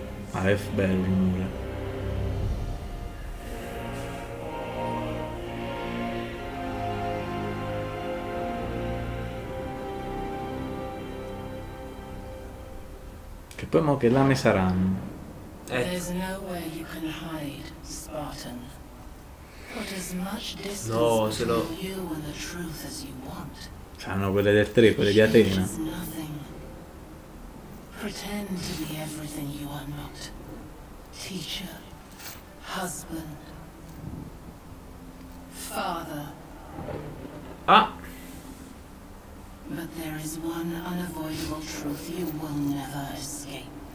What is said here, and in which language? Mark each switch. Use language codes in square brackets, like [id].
[it] Ah, è bello il muro. E poi mo che lame saranno. [en] There's nowhere you can hide, Spartan. Put as much distance to you and the truth as you want. [it] Sanno quelle del 3, quelle di Atena. [en] Pretend to be everything you are not. Teacher, husband, father. Ah! But there is one unavoidable truth you will never escape.